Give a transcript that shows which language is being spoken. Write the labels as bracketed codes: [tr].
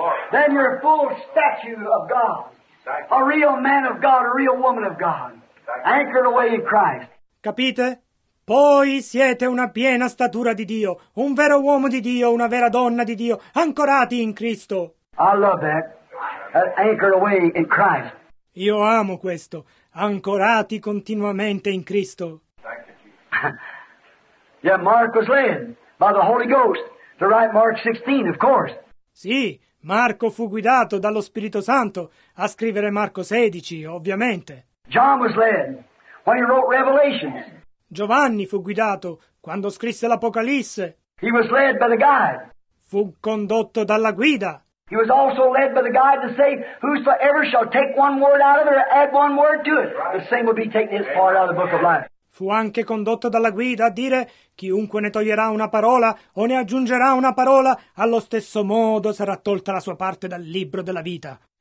[en] Then you're a full statue of God. A real man of God, a real woman of God. Anchored away in Christ. [it] Capite? Poi siete una piena statura di Dio, un vero uomo di Dio, una vera donna di Dio, ancorati in Cristo. [en] I love that. Anchored away in Christ. [it] Io amo questo. Ancorati continuamente in Cristo. [en] Thank you. Yeah, Mark was led by the Holy Ghost to write Mark 16, of course. [it] Sì. Marco fu guidato dallo Spirito Santo a scrivere Marco 16, ovviamente. [en] John was led when he wrote Revelations. [it] Giovanni fu guidato quando scrisse l'Apocalisse. [en] He was led by the guide. [it] Fu condotto dalla guida. [en] He was also led by the guide to say, whosoever shall take one word out of it or add one word to it, the same will be taking his part out of the book of life. [it] Fu anche condotto dalla guida a dire, chiunque ne toglierà una parola o ne aggiungerà una parola, allo stesso modo sarà tolta la sua parte dal libro della vita.